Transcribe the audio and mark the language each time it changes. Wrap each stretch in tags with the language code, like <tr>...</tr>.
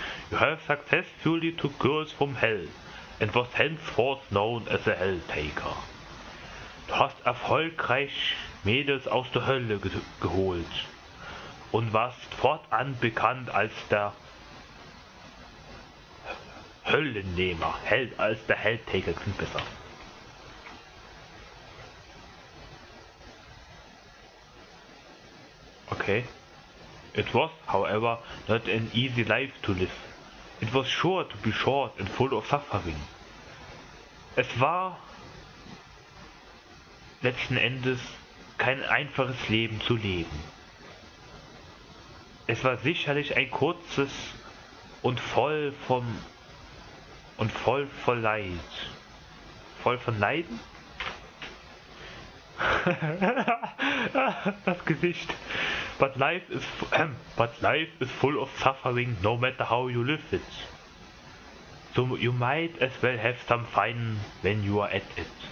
<en>You have successfully took girls from hell and was henceforth known as a hell taker.</en> <de>Du hast erfolgreich Mädels aus der Hölle geholt und warst fortan bekannt als der Höllennehmer. Als der Helltaker klingt besser. Okay.</de> <en>It was, however, not an easy life to live. It was sure to be short and full of suffering.</en> <de>Es war letzten Endes kein einfaches Leben zu leben. Es war sicherlich ein kurzes und voll von Leiden. Das Gesicht.</de> <en>But life is full of suffering, no matter how you live it. So you might as well have some fun when you are at it.</en>